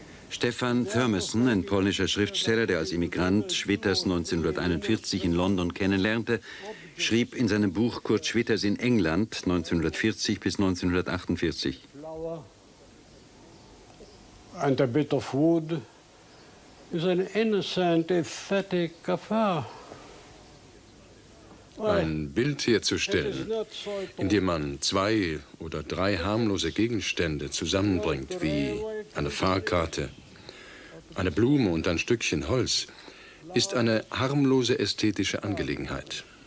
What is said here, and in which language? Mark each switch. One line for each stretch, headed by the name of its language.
German: Stefan Thurmason, ein polnischer Schriftsteller, der als Immigrant Schwitters 1941 in London kennenlernte, schrieb in seinem Buch Kurt Schwitters in England 1940 bis 1948.
English: And a bit of wood is an innocent, aesthetic affair.
German: Ein Bild herzustellen, indem man zwei oder drei harmlose Gegenstände zusammenbringt, wie eine Fahrkarte, eine Blume und ein Stückchen Holz, ist eine harmlose ästhetische Angelegenheit.